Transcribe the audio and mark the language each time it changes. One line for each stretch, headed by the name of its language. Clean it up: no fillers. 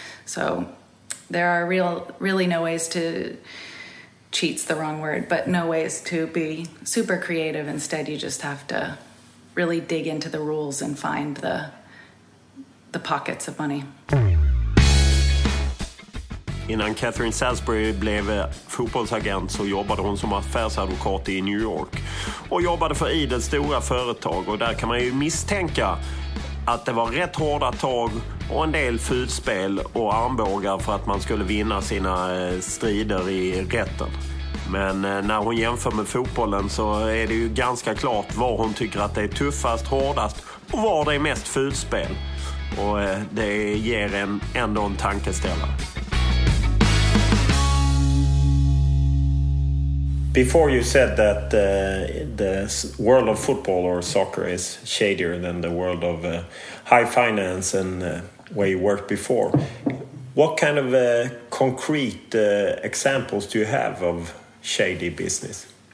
English: So there are really no ways to... cheat's the wrong word, but no ways to be super creative. Instead, you just have to really dig into the rules and find the pockets of money.
Swedish: Innan Catherine Salisbury blev fotbollsagent så jobbade hon som affärsadvokat i New York och jobbade för Idels stora företag. Och där kan man ju misstänka att det var rätt hårda tag och en del fulspel och armbågar för att man skulle vinna sina strider i rätten. Men när hon jämför med fotbollen så är det ju ganska klart var hon tycker att det är tuffast, hårdast och var det är mest fulspel. Och det ger en ändå en tankeställare.
English: Before you said that the world of football or soccer is shadier than the world of high finance and where you worked before, what kind of concrete examples do you have of shady business?